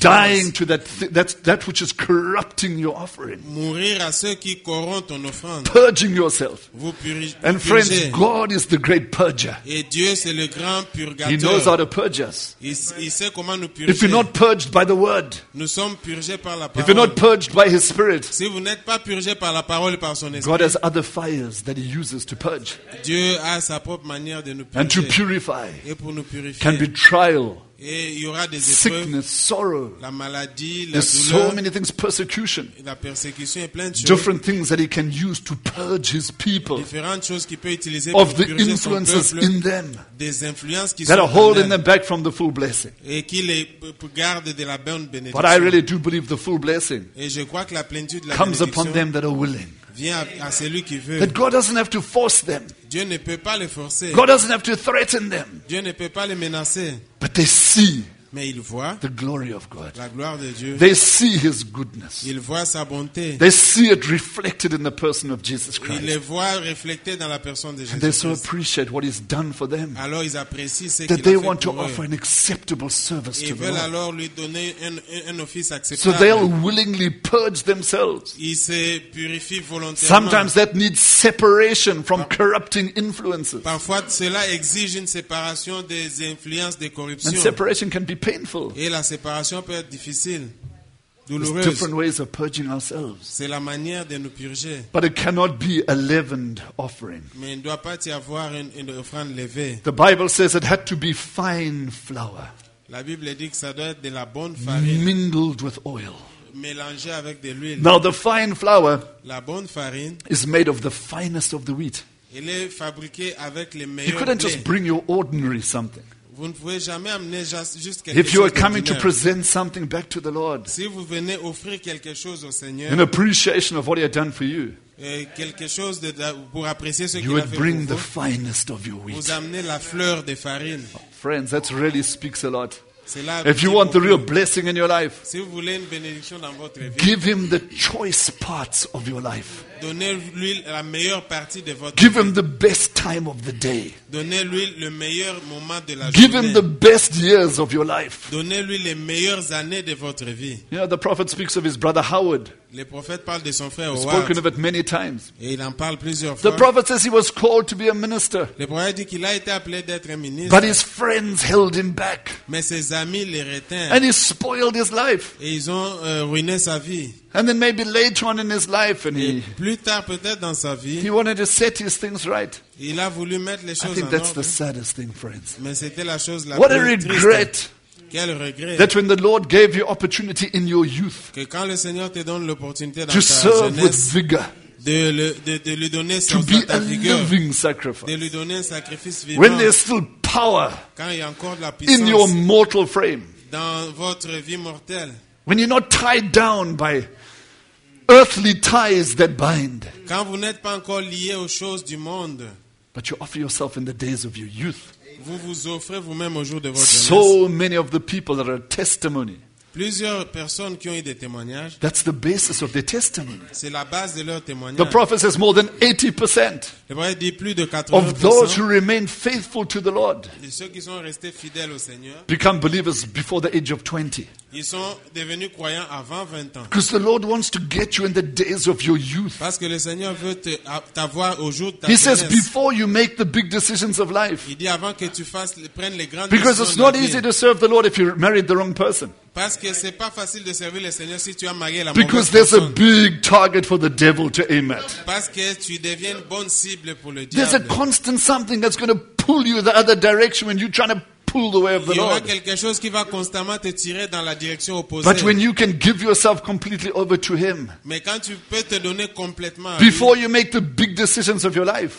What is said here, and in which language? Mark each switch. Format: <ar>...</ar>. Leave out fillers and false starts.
<en>Dying to that which is corrupting your offering.</en> <fr>Mourir à ce qui corrompt ton offrande.</fr> <en>Purging yourself.</en> <fr>Vous purifiez.</fr> <en>And friends, God is the great purger.</en> <fr>Et Dieu c'est le grand purgateur.</fr> <en>He knows how to purge us.</en> <fr>Il sait comment nous purger.</fr> <en>If you're not purged by the word.</en> <fr>Nous sommes purgés par la parole.</fr> <en>If you're not purged by his spirit.</en> <fr>Si vous n'êtes pas purgé par la parole et par son esprit.</fr> <en>God has other fires that he uses to purge.</en> <fr>Dieu a sa propre manière de nous purger.</fr> <en>And to purify.</en> <fr>Et pour nous purifier.</fr> <en>Can be trial.</en> <fr>Et il y aura des épreuves.</fr> <en>Sickness, sorrow.</en> <fr>La maladie, la</fr> <en>There's</en> <fr>douleur.</fr> <en>There's so many things, persecution.</en> <fr>La persécution et plein de choses.</fr> <en>Different things that he can use to purge his people.</en> <fr>Différentes choses qu'il peut utiliser pour purger son peuple.</fr> <en>Of the influences in them.</en> <fr>Des influences qui sont</fr> <en>are holding them back from the full blessing.</en> <fr>Et qui les garde de la bonne bénédiction.</fr> <en>But I really do believe the full blessing.</en> <fr>Et je crois que la plénitude de la</fr> <en>comes upon them that are willing.</en> <fr>Vient à celui qui veut.</fr> <en>That God doesn't have to force them.</en> <fr>Dieu ne peut pas les forcer.</fr> <en>God doesn't have to threaten them.</en> <fr>Dieu ne peut pas les menacer.</fr> <en>But they see.</en> <fr>Mais ils voient.</fr> <en>The glory of God.</en> <fr>La gloire de Dieu.</fr> <en>They see his goodness.</en> <fr>Ils voient sa bonté.</fr> <en>They see it reflected in the person of Jesus Christ.</en> <fr>Ils les voient reflétés dans la personne de Jésus-Christ.</fr> <en>And they so appreciate what he's done for them.</en> <fr>Alors ils apprécient ce qu'il a fait pour eux.</fr> <en>want to offer an acceptable service to God.</en> <fr>Ils veulent alors lui donner un office acceptable.</fr> <en>So they'll willingly purge themselves.</en> <fr>Ils se purifient volontairement.</fr> <en>Sometimes that needs separation from corrupting influences.</en> <fr>Parfois cela exige une séparation des influences de corruption.</fr> <en>And separation can be painful.</en> <fr>Et la séparation peut être difficile, douloureuse.</fr> <en>There's different ways of purging ourselves.</en> <fr>C'est la manière de nous purger.</fr> <en>But it cannot be a leavened offering.</en> <fr>Mais il ne doit pas y avoir une offrande levée.</fr> <en>The Bible says it had to be fine flour.</en> <fr>La Bible dit que ça doit être de la bonne farine.</fr> <en>Mingled with oil.</en> <fr>Mélangé avec de l'huile.</fr> <en>Now the fine flour.</en> <fr>La bonne farine.</fr> <en>Is made of the finest of the wheat.</en> <fr>Elle est fabriquée avec les meilleurs.</fr> <en>You couldn't just bring your ordinary something.</en> <fr>Vous ne pouvez jamais amener juste quelque chose.</fr> <en>If you are coming to present something back to the Lord,</en> <fr>si vous venez offrir quelque chose au Seigneur,</fr> <en>in appreciation of what he had done for you,</en> <fr>quelque chose pour apprécier ce qu'il a fait pour vous,</fr> <en>bring the finest of your wheat.</en> <fr>Vous amenez la fleur de farine.</fr> <en>Friends, that really speaks a lot.</en> <fr>Cela</fr> <en>if you want the real blessing in your life,</en> <fr>si vous voulez une bénédiction dans votre vie,</fr> <en>give him the choice parts of your life.</en> <fr>Donnez-lui la meilleure partie de votre</fr> <en>give him the best time of the day.</en> <fr>Donnez-lui le meilleur moment de la</fr> <en>give</en> <fr>journée.</fr> <en>Him the best years of your life.</en> <fr>Donnez-lui les meilleures années de votre vie.</fr> <en>You know, the prophet speaks of his brother Howard.</en> <fr>Le prophète parle de son frère</fr> <en>Howard. Spoken of it many times.</en> <fr>Et il en parle plusieurs fois.</fr> <en>The prophet says he was called to be a minister.</en> <fr>Le prophète dit qu'il a été appelé d'être un ministre.</fr> <en>But his friends held him back.</en> <fr>Mais ses amis les retinrent.</fr> <en>And he spoiled his life.</en> <fr>Et ils ont ruiné sa vie.</fr> <en>And then maybe later on in his life, and</en> <fr>plus tard, peut-être dans sa vie,</fr> <en>he wanted to set his things right.</en> <fr>Il a voulu mettre les choses</fr> <en>I think that's</en> <fr>en</fr> <en>the saddest thing, friends.</en> <fr>Mais c'était la chose la</fr> <en>what</en> <fr>plus</fr> <en>a regret!</en> <fr>Triste. Quel regret!</fr> <en>That when the Lord gave you opportunity in your youth,</en> <fr>que quand le Seigneur te donne l'opportunité dans</fr> <en>to</en> <fr>ta</fr> <en>serve</en> <fr>jeunesse,</fr> <en>with vigor.</en> <fr>De lui donner</fr> <en>to be a</en> <fr>vigueur,</fr> <en>living sacrifice.</en> <fr>De lui donner un sacrifice vivant.</fr> <en>When there's still power</en> <fr>quand il y a encore de la puissance</fr> <en>in your mortal frame.</en> <fr>Dans votre vie mortelle.</fr> <en>When you're not tied down by earthly ties that bind.</en> <fr>Quand vous n'êtes pas encore lié aux choses du monde.</fr> <en>But you offer yourself in the days of your youth.</en> <fr>Vous vous offrez vous-même au jour de votre jeunesse.</fr> <en>So many of the people that are a testimony.</en> <fr>Plusieurs personnes qui ont eu des témoignages.</fr> <en>That's the basis of their testimony.</en> <fr>C'est la base de leur témoignage.</fr> <en>The prophet says more than 80%.</en> <fr>Le prophète dit plus de</fr> <en>80%. Of those who remain faithful to the Lord.</en> <fr>De ceux qui sont restés fidèles au Seigneur.</fr> <en>Become believers before the age of 20.</en> <fr>Ils sont devenus croyants avant 20 ans.</fr> <en>Because the Lord wants to get you in the days of your youth.</en> <fr>Parce que le Seigneur veut t'avoir au jour de ta jeunesse.</fr> <en>He says before you make the big decisions of life.</en> <fr>Il dit avant que tu fasses prennes les grandes</fr> <en>Because</en> <fr>décisions.</fr> <en>Because it's not easy to serve the Lord if you married the wrong person.</en> <fr>Parce que c'est pas facile de servir le Seigneur si tu as marié la</fr> <en>Because there's a big target for the devil to aim at.</en> <fr>Parce que tu deviens une bonne cible pour le diable.</fr> <en>There's a constant something that's going to pull you the other direction when you're trying to pull the way of the Lord.</en> <fr>Il y aura quelque chose qui va constamment te tirer dans la direction opposée.</fr> <en>But when you can give yourself completely over to him.</en> <fr>Mais quand tu peux te donner complètement à lui.</fr> <en>Before you make the big decisions of your life.</en>